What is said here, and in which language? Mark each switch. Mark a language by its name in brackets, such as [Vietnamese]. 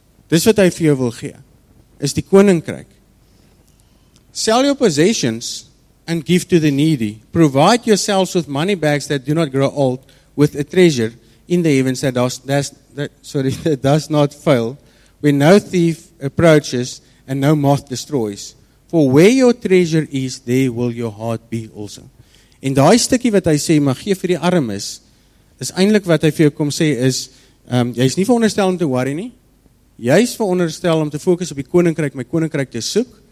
[Afrikaans] Dis wat hy vir jou wil gee, is die koninkryk. [English] Sell your possessions and give to the needy. Provide yourselves with money bags that do not grow old, with a treasure in the heavens that does not fail. When no thief approaches and no moth destroys. For where your treasure is, there will your heart be also. [Afrikaans] En daai stukkie wat hy sê, maar gee vir die arm is, is eindelijk wat hy vir jou kom sê is, jy is nie veronderstel om te worry nie, jy is veronderstel om te fokus op die koninkryk, my koninkryk te soek.